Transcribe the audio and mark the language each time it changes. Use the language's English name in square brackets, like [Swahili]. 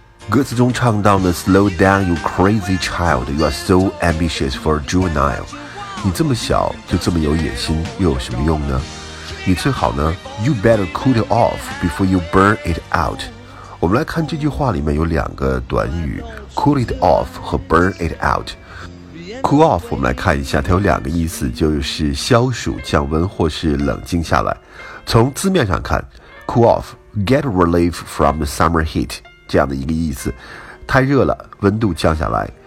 [English] 歌词中唱到的 Slow down you crazy child, you are so ambitious for a juvenile. [Chinese] 你这么小就这么有野心，又有什么用呢？ [English] 你最好呢， You better cool it off before you burn it out. [Chinese] 我们来看这句话里面有两个短语， Cool it off 和 burn it out。 Cool off， 我们来看一下，它有两个意思，就是消暑降温或是冷静下来。从字面上看， Cool off， get relief from the summer heat，这样的一个意思，太热了，温度降下来。